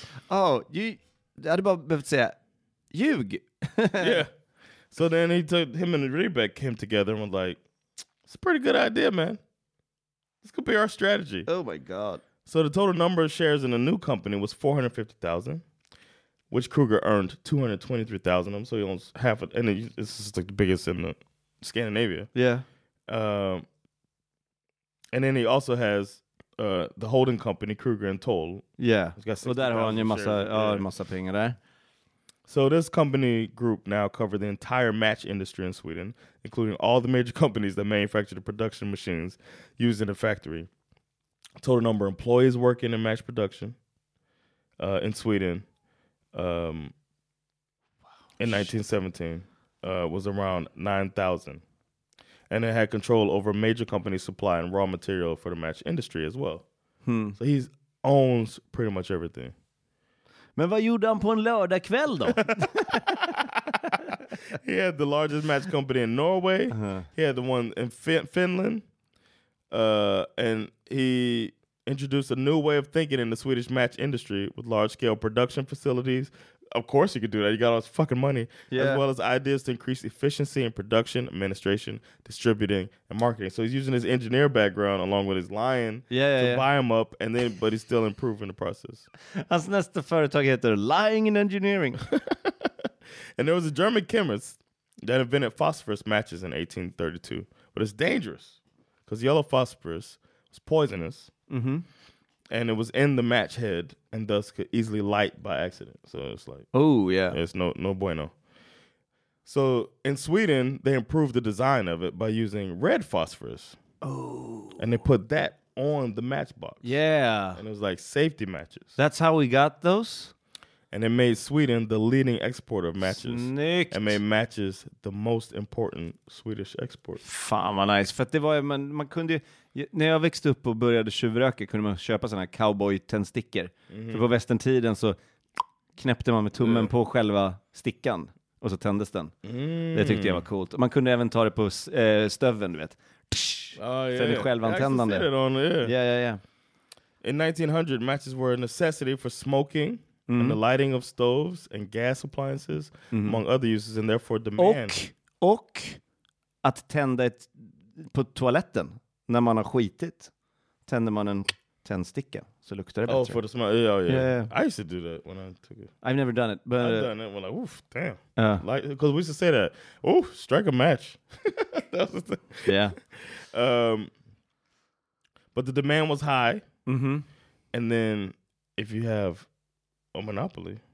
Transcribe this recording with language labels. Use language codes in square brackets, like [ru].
[sv] Oh, you hade bara behövt säga ljug. [en] Yeah. So then him and Rebecca came together and were like, "It's a pretty good idea, man. This could be our strategy." Oh my God. So the total number of shares in the new company was 450,000, which Kreuger earned 223,000 of them. So he owns half of it. And it's just like the biggest in Scandinavia. Yeah. And then he also has the holding company, Kreuger and Toll. Yeah. He's got 60,000 [sv] shares. Oh, en massa pengar där. [en] So this company group now covered the entire match industry in Sweden, including all the major companies that manufacture the production machines used in the factory. Total number of employees working in match production in Sweden in 1917 was around 9,000. And it had control over major company supply and raw material for the match industry as well. Hmm. So he owns pretty much everything. [sv] Men vad gjorde han på en lördag kväll då? [en] He had the largest match company in Norway. Uh-huh. He had the one in Finland. And he introduced a new way of thinking in the Swedish match industry with large-scale production facilities. Of course you could do that. You got all this fucking money. Yeah. As well as ideas to increase efficiency in production, administration, distributing, and marketing. So he's using his engineer background along with his lion to buy him up, and then but he's still improving the process. [sv] Hans nästa företag heter Lying in Engineering. [en] And there was a German chemist that invented phosphorus matches in 1832. But it's dangerous because yellow phosphorus was poisonous. Mm-hmm. And it was in the match head and thus could easily light by accident. So it's like, oh, yeah. It's no bueno. So in Sweden, they improved the design of it by using red phosphorus. Oh. And they put that on the matchbox. Yeah. And it was like safety matches. That's how we got those? And it made Sweden the leading exporter of matches. [sv] Snyggt. [en] And made matches the most important Swedish export. [sv] Fan vad nice. För att det var ju, man kunde ju, när jag växte upp och började tjuvröka kunde man köpa sådana här cowboy tändstickor. Mm-hmm. För på västentiden så knäppte man med tummen på själva stickan. Och så tändes den. Mm. Det tyckte jag var coolt. Man kunde även ta det på stöven, du vet. Sen är det självantändande. [en] I actually said it on there. Yeah. In 1900, matches were a necessity for smoking. Mm. And the lighting of stoves and gas appliances, among other uses, and therefore demand. [sv] Och att tända ett på toaletten när man har skitit, tänder man en tändsticka. Så så luktar det bättre. [en] Oh, for the smell. Yeah, yeah. I used to do that when I took it. I've never done it, but I've done it. We're like, oof, damn. Like, because we used to say that, oof, strike a match. That was the thing. Yeah. But the demand was high. Mm-hmm. And then if you have a monopoly,